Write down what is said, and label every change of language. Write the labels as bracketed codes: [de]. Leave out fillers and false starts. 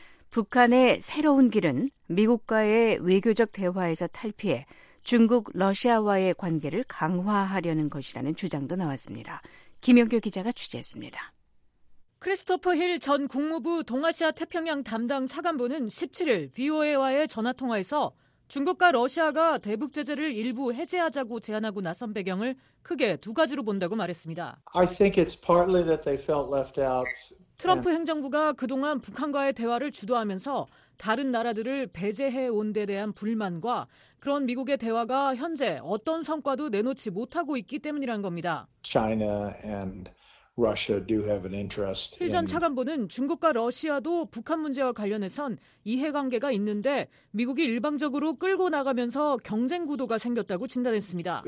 [ko] 북한의 새로운 길은 미국과의 외교적 대화에서 탈피해 중국, 러시아와의 관계를 강화하려는 것이라는 주장도 나왔습니다. 김영규 기자가 취재했습니다. 크리스토퍼 힐 전 국무부 동아시아 태평양 담당 차관보는 17일 VOA와의 전화통화에서 중국과 러시아가 대북 제재를 일부 해제하자고 제안하고 나선 배경을 크게 두 가지로 본다고 말했습니다. [en] I think it's partly that they felt left out. [ko] 트럼프 행정부가 그동안 북한과의 대화를 주도하면서 다른 나라들을 배제해 온 데 대한 불만과 그런 미국의 대화가 현재 어떤 성과도 내놓지 못하고 있기 때문이란 겁니다. [en] China and Russia do have an interest. [ko] 힐 전 차관보는 중국과 러시아도 북한 문제와 관련해선 이해관계가 있는데 미국이 일방적으로 끌고 나가면서 경쟁 구도가 생겼다고 진단했습니다.